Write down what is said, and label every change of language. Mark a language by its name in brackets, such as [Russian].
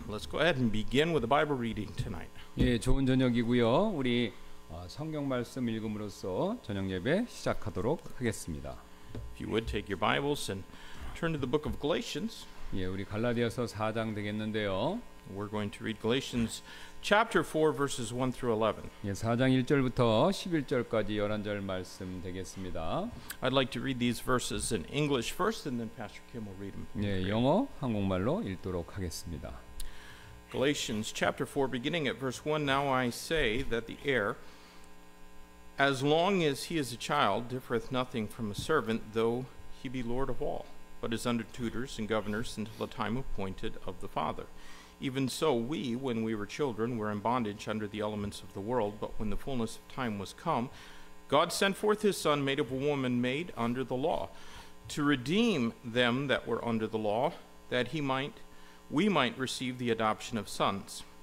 [English] Let's go ahead and begin with the Bible reading tonight. [Korean] 예, 좋은 저녁이고요. 우리 성경 말씀 읽음으로써 저녁 예배 시작하도록 하겠습니다. [English] If you would take your Bibles and turn to the book of Galatians. [Korean] 예, 우리 갈라디아서 4장 되겠는데요. [English] We're going to read Galatians chapter 4 verses 1 through 11. [Korean] 예, 4장 1절부터 11절까지 11절 말씀 되겠습니다. [English] I'd like to read these verses in English first and then Pastor Kim will read them. [Korean] 예, 영어 한국말로 읽도록 하겠습니다. [English] Galatians chapter 4 beginning at verse 1. Now I say that the heir, as long as he is a child, differeth nothing from a servant, though he be lord of all, but is under tutors and governors until the time appointed of the father. Even so, we, when we were children, were in bondage under the elements of the world, but when the fullness of time was come, God sent forth his Son, made of a woman, made under the law, to redeem them that were under the law, that we might receive the adoption of sons.